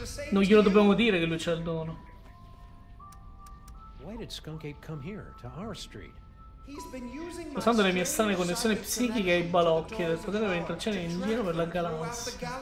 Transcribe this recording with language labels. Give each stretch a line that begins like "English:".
Italian: Non glielo dobbiamo dire che lui c'ha il dono.
English: Why did Skunk Ape come here to our street?
Italian: Usando le mie strane connessioni psichiche e i balocchi del potere per entrare in giro per la galassia.